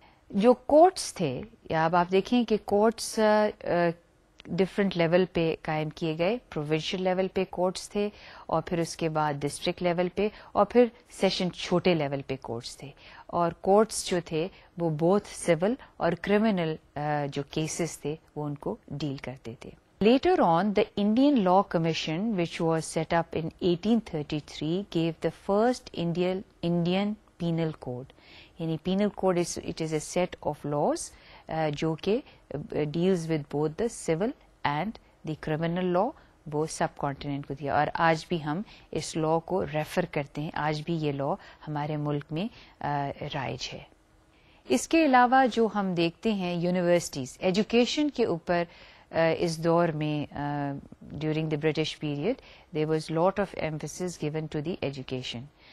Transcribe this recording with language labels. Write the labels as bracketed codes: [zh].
[ur] جو کورٹس تھے, یا اب آپ دیکھیں کہ کورٹس ڈفرینٹ لیول پہ قائم کیے گئے, پروونشل لیول پہ کورٹس تھے, اور پھر اس کے بعد ڈسٹرکٹ لیول پہ, اور پھر سیشن چھوٹے لیول پہ کورٹس تھے. اور کورٹس جو تھے وہ بوتھ سول اور کرمنل جو کیسز تھے وہ ان کو ڈیل کرتے تھے. [en] Later on, the Indian Law Commission, which was set up in 1833, gave the first Indian Penal Code. Yani Penal Code is, it is a set of laws [ur] jo ke [en] deals with both the civil and the criminal law, [ur] وہ سب continent کو دیا. اور آج بھی ہم اس لا کو refer کرتے ہیں, آج بھی یہ لا ہمارے ملک میں رائج ہے. اس کے علاوہ جو ہم دیکھتے ہیں یونیورسٹیز ایجوکیشن کے اوپر اس دور میں [en] During the British period there was lot of emphasis given to the education.